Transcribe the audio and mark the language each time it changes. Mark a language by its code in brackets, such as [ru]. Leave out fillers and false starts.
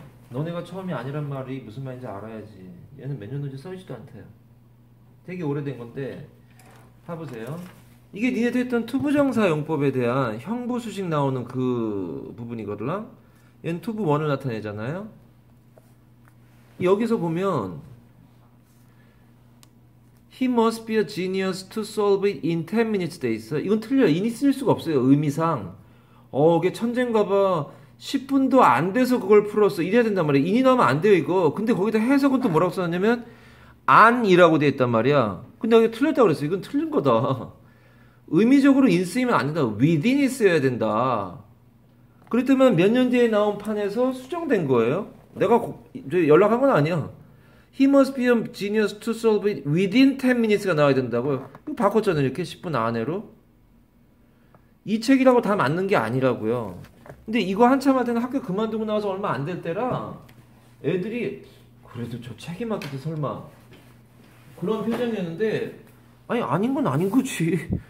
[ko] 너네가 처음이 아니란 말이 무슨 말인지 알아야지. 얘는 몇 년도인지 써있지도 않대요. 되게 오래된 건데, 봐보세요. 이게 니네들 했던 투부정사 용법에 대한 형부수식 나오는 그 부분이거든? 얘는 투부원을 나타내잖아요? 여기서 보면, [en] He must be a genius to solve it in 10 minutes [ko] 돼 있어. 이건 틀려. 인이 쓸 수가 없어요. 의미상. 이게 천재인가 봐. 10분도 안 돼서 그걸 풀었어. 이래야 된단 말이야. 인이 나오면 안 돼요, 이거. 근데 거기다 해석은 또 뭐라고 써놨냐면, 안이라고 돼 있단 말이야. 근데 여기 틀렸다고 그랬어. 이건 틀린 거다. 의미적으로 인 쓰이면 안 된다. within이 써야 된다. 그랬더만 몇년 뒤에 나온 판에서 수정된 거예요. 연락한 건 아니야. [en] He must be a genius to solve it within 10 minutes [ko] 가 나와야 된다고요. 그럼 바꿨잖아요. 이렇게 10분 안으로. 이 책이라고 다 맞는 게 아니라고요. 근데 이거 한참 할 때는 학교 그만두고 나와서 얼마 안될 때라 애들이 그래도 저 책이 맞겠지 설마. 그런 표정이었는데 아니 아닌 건 아닌 거지.